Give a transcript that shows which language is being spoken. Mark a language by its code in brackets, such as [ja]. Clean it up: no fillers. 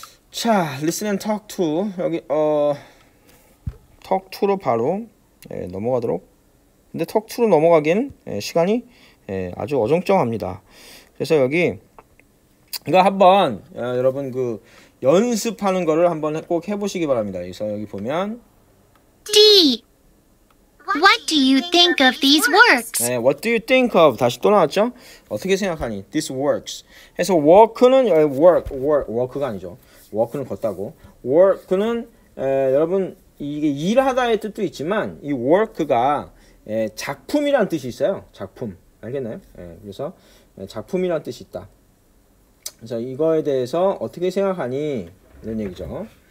[ko] 자 [en] listen and talk to [ko] 여기 talk to로 바로 예, 넘어가도록. 근데 talk to로 넘어가긴 예, 시간이 예, 아주 어정쩡합니다. 그래서 여기 이거 한번 여러분 그 연습하는 거를 한번 꼭 해보시기 바랍니다. 그래서 여기 보면 [en] D. What do you think of these works? 네, what do you think of? [ko] 다시 또 나왔죠? 어떻게 생각하니? [en] This works. [ko] 해서 walk는 work가 아니죠. walk는 걷다고. work는 여러분 이게 일하다의 뜻도 있지만 이 work가 에, 작품이란 뜻이 있어요. 작품. 알겠나요? 에, 그래서 작품이란 뜻이 있다. 그래서 이거에 대해서 어떻게 생각하니? 이런 얘기죠.